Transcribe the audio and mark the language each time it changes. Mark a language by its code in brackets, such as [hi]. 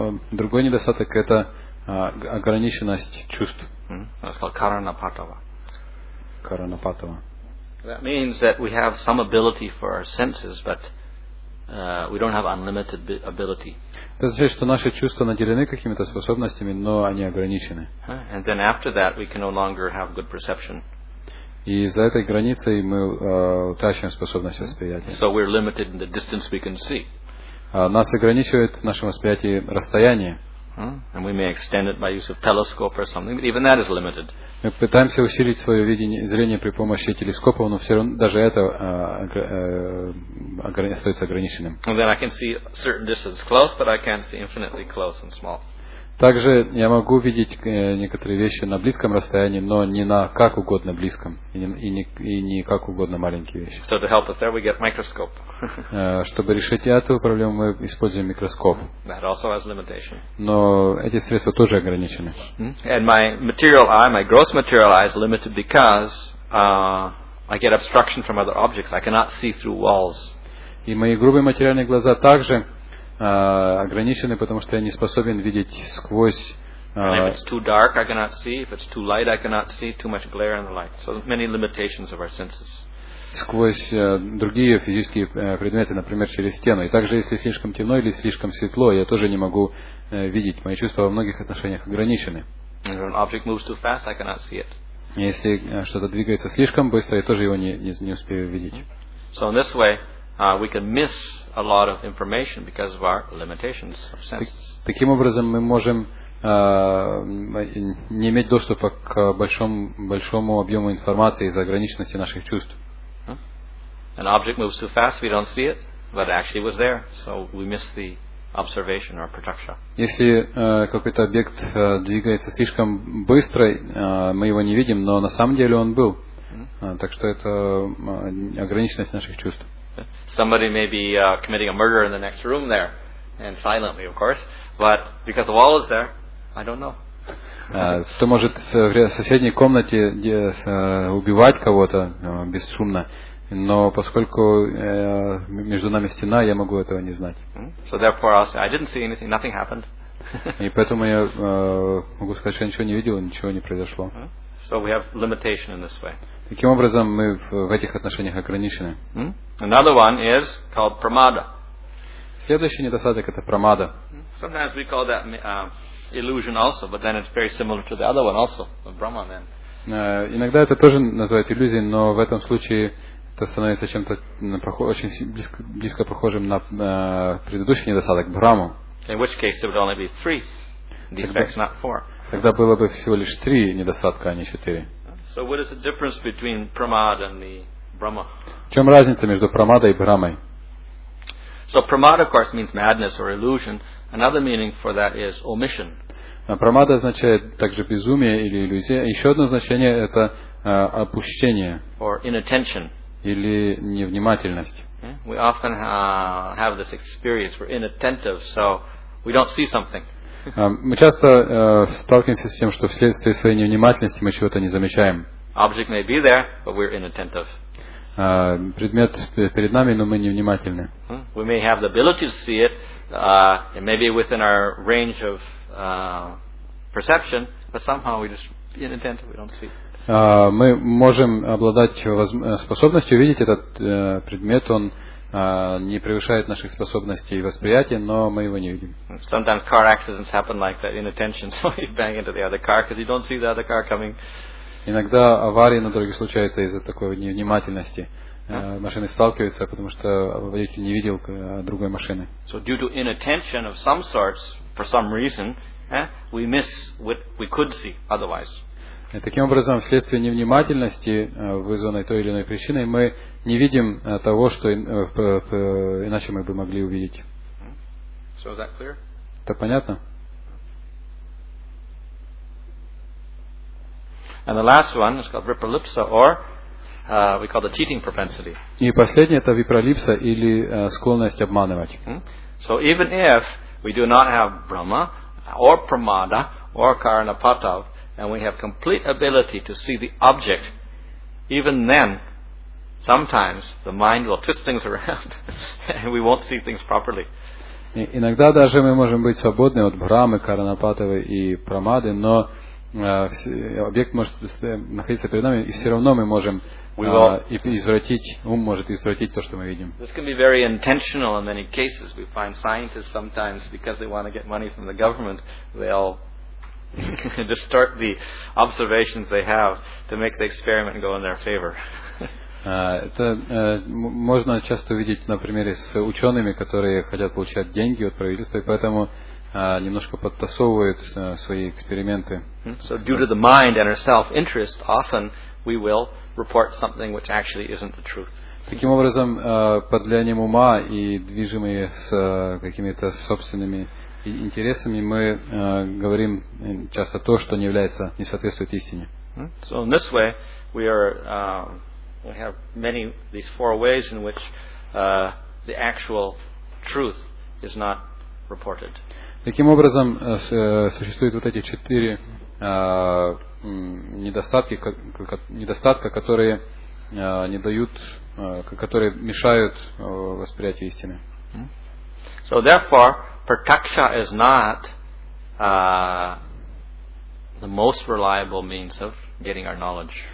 [ru] Другой недостаток это ограниченность чувств. [en] That's called karanapatava. Karanapatava. That means that we have some ability for our senses, but we don't have unlimited ability. [ru] Это значит, что наши чувства наделены какими-то способностями, но они ограничены. [en] And then after that, we can no longer have good perception. [ru] И за этой границей мы утрачиваем способность восприятия. [en] So we're limited in the distance we can see. [ru] Нас ограничивает в нашем восприятии расстояние. [en] And we may extend it by use of telescope or something, but even that is limited. [ru] Мы пытаемся усилить свое видение, зрение при помощи телескопа, но все равно даже это остается ограниченным. [en] And then I can see a certain distance close, but I can't see infinitely close and small. [ru] Также я могу видеть некоторые вещи на близком расстоянии, но не на как угодно близком и не как угодно маленькие вещи. [en] So to help us there, we get microscope. [ru] Чтобы решить эту проблему, мы используем микроскоп. [en] That also has limitation. [ru] Но эти средства тоже ограничены. [en] And my material eye, my gross material eye, is limited because I get obstruction from other objects. I cannot see through walls. [ru] И мои грубые материальные глаза также ограничены, потому что я не способен видеть сквозь другие физические предметы, например, через стену. И также, если слишком темно или слишком светло, я тоже не могу видеть. Мои чувства во многих отношениях ограничены. [en] If an object moves too fast, I cannot see it. [ru] Если что-то двигается слишком быстро, я тоже его не успею видеть. [en] So in this way, we can miss a lot of information because of our limitations of sense. [ru] Таким образом, мы можем не иметь доступа к большому объему информации из-за ограниченности наших чувств. [en] An object moves too fast, we don't see it, but actually it was there, so we miss the observation or pratyaksha. [ru] Если какой-то объект двигается слишком быстро, мы его не видим, но на самом деле он был. Так что это ограниченность наших чувств. [en] Somebody may be committing a murder in the next room there, and silently, of course, but because the wall is there, I don't know. [ru] Кто может в соседней комнате убивать кого-то бесшумно, но поскольку между нами стена, я могу этого не знать. [en] So therefore, I'll say, I didn't see anything, nothing happened. [ru] И поэтому я могу сказать, что я ничего не видел, ничего не произошло. [en] So we have limitation in this way. [ru] Таким образом, мы в этих отношениях ограничены. [en] Another one is called pramada. [ru] Следующий недостаток — это прамада. [en] Sometimes we call that illusion also, but then it's very similar to the other one also, the Brahma then. [ru] Иногда это тоже называют иллюзией, но в этом случае это становится чем-то очень близко похожим на предыдущий недостаток Брахму. [en] In which case it would only be three defects, not four. [ru] Тогда было бы всего лишь три недостатка, а не четыре. [en] So what is the difference between pramada and the Brahma? [ru] В чем разница между прамадой и Брахмой? [en] So pramada, of course, means madness or illusion. Another meaning for that is omission. [ru] Прамада означает также безумие или иллюзия. Еще одно значение — это опущение. [en] Or inattention. [ru] Или невнимательность. [en] We often have this experience. We're inattentive, so we don't see something. [ru] Мы часто сталкиваемся с тем, что вследствие своей невнимательности мы чего-то не замечаем. [en] Object may be there, but we're inattentive. [ru] Предмет перед нами, но мы невнимательны. [en] We may have the ability to see it, it may be within our range of perception, but somehow we just inattentive, we don't see. [ru] Мы можем обладать способностью видеть этот предмет, он не превышает наших способностей и восприятия, но мы его не видим. [en] Sometimes car accidents happen like that, inattention, so you bang into the other car because you don't see the other car coming. [ru] Иногда аварии на дороге случаются из-за такой невнимательности. Машины сталкиваются, потому что водитель не видел другой машины. [en] So due to inattention of some sorts, for some reason, we miss what we could see otherwise. [ru] И таким образом, вследствие невнимательности, вызванной той или иной причиной, мы не видим того, что иначе мы бы могли увидеть. [en] So is that clear? [ru] Это понятно? [en] And the last one is called vipralipsa, or we call the cheating propensity. [ru] И последнее — это випралипса, или склонность обманывать. [en] So even if we do not have Brahma or Pramada or Karanapatav, and we have complete ability to see the object, even then, sometimes the mind will twist things around, and we won't see things properly. [ru] Иногда даже мы можем быть свободны от Брамы, Каранапатовы и Прамады, но объект может находиться перед нами, и все равно мы можем ум может извратить то, что мы видим. [en] This can be very intentional in many cases. We find scientists sometimes, because they want to get money from the government, they'll distort the observations they have to make the experiment go in their favor. [ru] Это можно часто увидеть на примере с учеными, которые хотят получать деньги от правительства, и поэтому немножко подтасовывают свои эксперименты. [en] So due to the mind and our self-interest, often we will report something which actually isn't the truth. [ru] Таким образом, под влиянием ума и движимые с какими-то собственными интересами, мы говорим часто то, что не является, не соответствует истине. [en] So in this way, we have many these four ways in which the actual truth is not reported. [ru] Таким образом, существуют вот эти четыре недостатка, которые не дают, которые мешают восприятию истины. [en] So therefore, pratyaksha is not the most reliable means of getting our knowledge.